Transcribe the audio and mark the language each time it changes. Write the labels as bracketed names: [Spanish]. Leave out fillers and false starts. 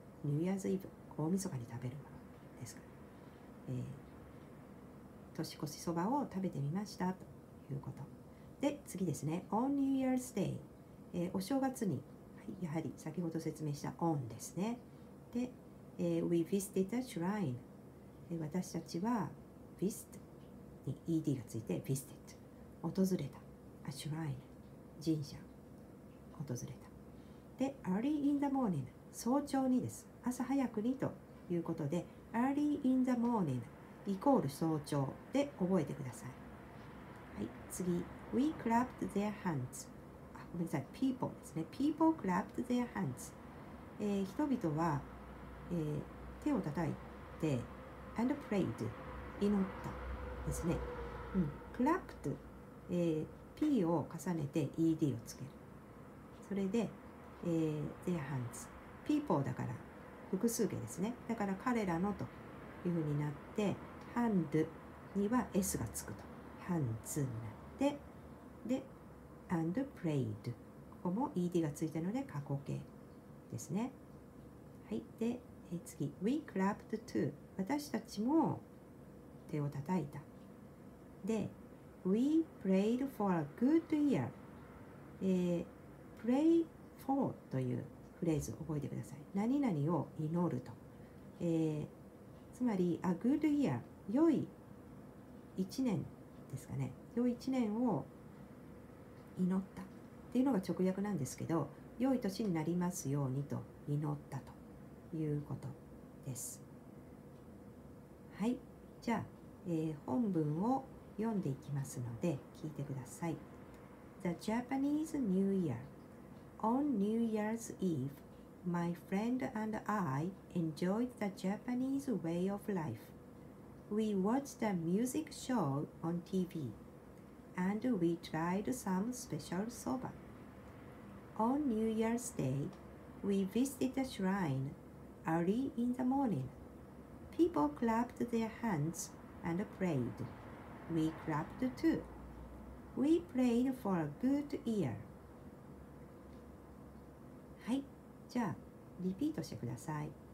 [Japanese] ニューイヤーズイブ、大晦日に食べるものですから、年越しそばを食べてみましたということで、次ですね。 [English] On New Year's Day、 [Japanese] お正月に、やはり先ほど説明した On ですね。で、 [English] We visited a shrine、 [Japanese] 私たちは Vist に ED がついて Visited、 訪れた。 A shrine、 神社、訪れた。で、 [English] early in the morning、 [Japanese] 早朝にです。朝早くにということで、early in the morning、イコール早朝で覚えてください。はい、次。 [English] We clapped their hands. [Japanese] あ、ごめんなさい。People ですね。 [English] People clapped their hands.、 [Japanese] 人々は、手を叩いて、and prayed, 祈ったですね。うん、clapped、P を重ねて ED をつける。それで、their hands。 People だから、複数形ですね。だから彼らのというふうになって、hand には S がつくと。 hands になって、で、and prayed。ここも ED がついたので過去形ですね。はい。で、次。 [English] We clapped too。 [Japanese] 私たちも手を叩いた。 [English] で、We prayed for a good year。 [Japanese] pray for というフレーズを覚えてください。何々を祈ると。つまり、a good year。良い一年ですかね。良い一年を祈ったっていうのが直訳なんですけど、良い年になりますようにと祈ったということです。はい、じゃあ、本文を読んでいきますので聞いてください。 [English] The Japanese New Year. On New Year's Eve, my friend and I enjoyed the Japanese way of life. We watched a music show on TV. And we tried some special soba. On New Year's Day, we visited a shrine early in the morning. People clapped their hands and prayed. We clapped too. We prayed for a good year. [Japanese] はい、じゃあリピートしてください。